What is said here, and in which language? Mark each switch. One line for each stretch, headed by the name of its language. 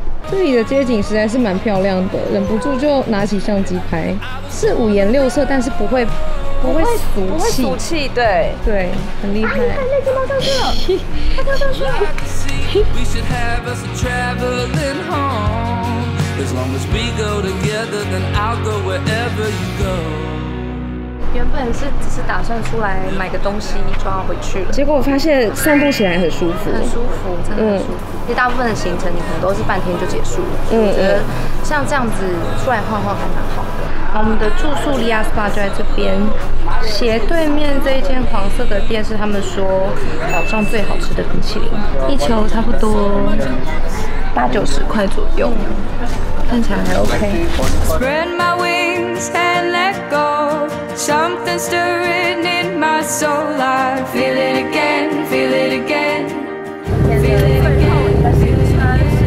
Chinese: 这里的街景实在是蛮漂亮的，忍不住就拿起相机拍，是五颜六色，但是不会俗气，不会俗气，对对，很厉害。啊、你看那只猫上去了，它跳上去了。
English: We should have us a traveling home. As long as we go together, then I'll go wherever you go.
Chinese: 原本是只是打算出来买个东西就要回去了，结果我发现散步起来很舒服，很舒服，真的很舒服。其实大部分的行程你可能都是半天就结束了，我觉得像这样子出来晃晃还蛮好的。我们的住宿 Lia Spa 就在这边。斜对面这一间黄色的店是他们说岛上最好吃的冰淇淋，一球差不多八九十块左右，看起来还 OK。
English: Spread my wings and let go, something stirring in my soul, I feel it again, feel it again, feel it again.